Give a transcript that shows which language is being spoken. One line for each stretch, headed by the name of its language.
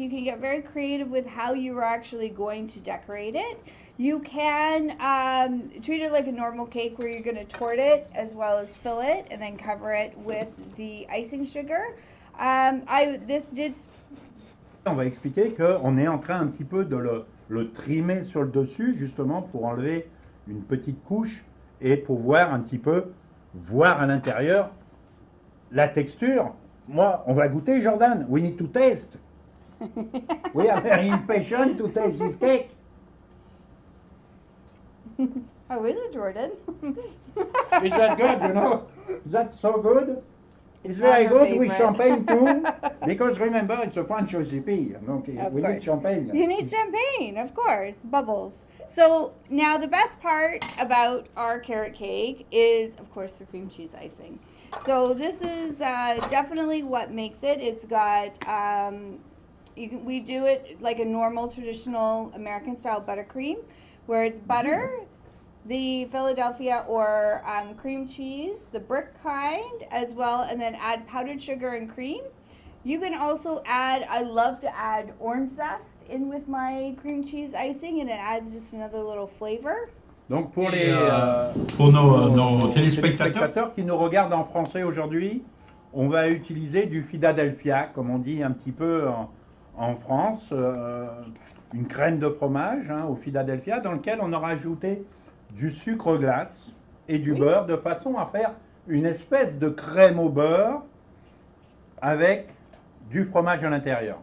English: You can get very creative with how you are actually going to decorate it. You can treat it like a normal cake where you're going to tort it as well as fill it and then cover it with the icing sugar.
French: On va expliquer qu'on est en train un petit peu de le trimer sur le dessus justement pour enlever une petite couche et pour voir un petit peu, voir à l'intérieur la texture. Moi, on va goûter, Jordan.
English: We need to taste. We are very impatient to taste this cake. How is it, Jordan? Is that good, you know? Is that so good? It's very good favorite. With champagne too. Because remember, it's a French recipe. Okay, of we course. Need champagne. You need champagne, of course. Bubbles. So now the best part about our carrot cake is, of course, the cream cheese icing. So this is definitely what makes it. It's got... we do it like a normal, traditional American-style buttercream, where it's butter, the Philadelphia or cream cheese, the brick kind as well, and then add powdered sugar and cream. You can also add, I love to add orange zest in with my cream cheese icing, and it adds just another little flavor.
French: Donc pour les pour nos téléspectateurs qui nous regardent en français aujourd'hui, on va utiliser du Philadelphia, comme on dit un petit peu en France, une crème de fromage hein, au Philadelphia, dans lequel on aura ajouté du sucre glace et du beurre de façon à faire une espèce de crème au beurre avec du fromage à l'intérieur.